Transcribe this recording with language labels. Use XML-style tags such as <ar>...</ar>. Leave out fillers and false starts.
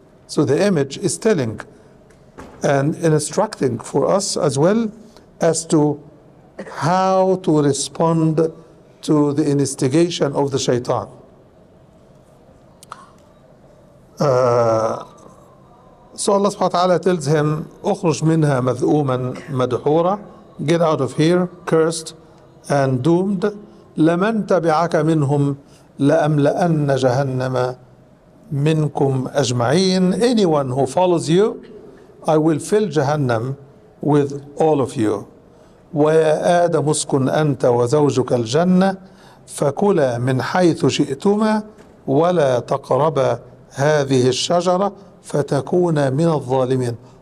<en>So the image is telling and instructing for us as well as to how to respond to the instigation of the shaitan. So Allah subhanahu wa ta'ala tells him,</en> <ar>اخرج منها مذؤوما مدحورا,</ar> <en>get out of here, cursed and doomed.</en> <ar>لمن تبعك منهم لأملأن جهنم منكم أجمعين.</ar> <en>Anyone who follows you, I will fill Jahannam with all of you.</en> <ar>ويا آدم اسكن أنت وزوجك الجنة فكلا من حيث شئتما ولا تقربا هذه الشجرة فتكون من الظالمين.</ar>